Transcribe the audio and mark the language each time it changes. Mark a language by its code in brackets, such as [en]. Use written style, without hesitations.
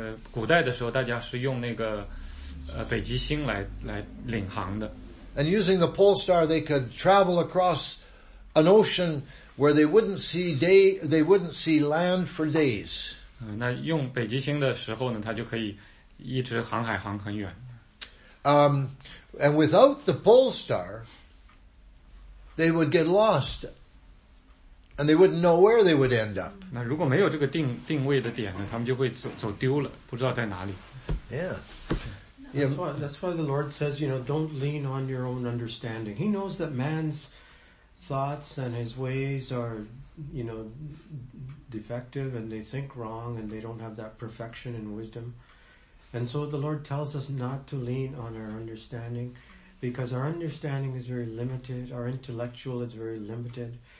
[zh] 古代的时候大家是用那个北极星来领航的。 [en] And using the pole star, they could travel across an ocean where they wouldn't see land for days. [zh] 那用北极星的时候呢，它就可以一直航海航很远。 [en] And without the pole star, they would get lost. And they wouldn't know where they would end up. [zh] 那如果没有这个定位的点呢，他们就会走丢了，不知道在哪里。 [en] Yeah. That's why the Lord says, you know, don't lean on your own understanding. He knows that man's thoughts and his ways are, you know, defective and they think wrong and they don't have that perfection and wisdom. And so the Lord tells us not to lean on our understanding because our understanding is very limited, our intellectual is very limited.